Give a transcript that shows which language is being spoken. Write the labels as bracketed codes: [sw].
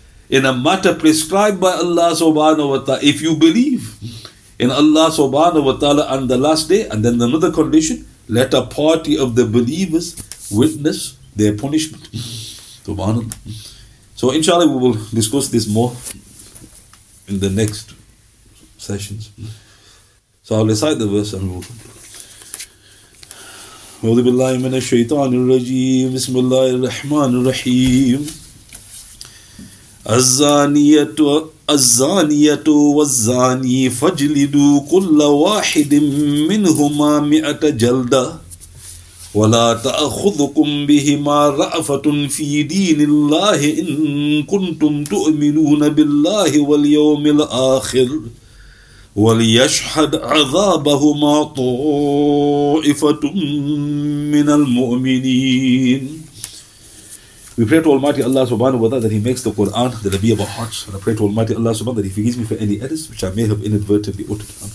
[en] In a matter prescribed by Allah subhanahu wa ta'ala, if you believe in Allah subhanahu wa ta'ala on the last day, and then another condition, let a party of the believers witness their punishment. Subhanallah. So inshallah we will discuss this more in the next sessions. So I'll recite the verse and we'll conclude. [ar] أعوذ بالله من الشيطان الرجيم بسم الله الرحمن الرحيم الزانية والزاني فاجلدوا كل واحد منهما 100 جلدة ولا تأخذكم بهما رأفة في دين الله إن كنتم تؤمنون بالله واليوم الآخر وليشهد عذابهما طائفة من المؤمنين. [en] We pray to Almighty Allah subhanahu wa ta'ala that He makes the Quran the Rabi of our hearts. And I pray to Almighty Allah subhanahu wa ta'ala that He forgives me for any edits which I may have inadvertently uttered.